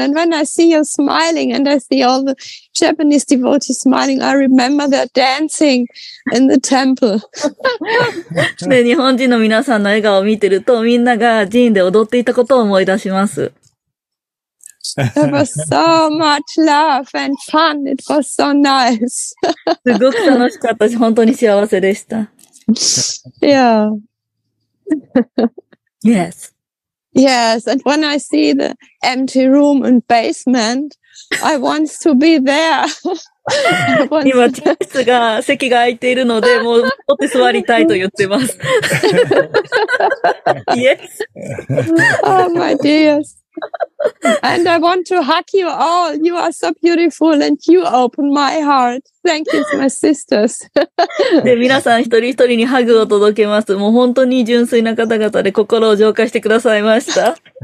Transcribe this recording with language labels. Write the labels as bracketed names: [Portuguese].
[English] And when I see you smiling and I see all the Japanese devotees smiling, I remember they're dancing in the temple. [Japanese] で、日本人の皆さんの笑顔を見てると、みんなが寺院で踊っていたことを思い出します。 [English] There was so much love and fun. It was so nice. [Japanese] すごく楽しかったし、本当に幸せでした。 [English] Yeah. Yes. Yes, and when I see the empty room and basement, I want to be there. [Japanese] 今、チャンスが席が空いているので、もう戻って座りたいと言ってます。 [English] Yes. Oh, my dears. And I want to hug you all. You are so beautiful and you open my heart. Thank you, my sisters. [Japanese] で、皆さん一人一人にハグを届けます。もう本当に純粋な方々で心を浄化してくださいました。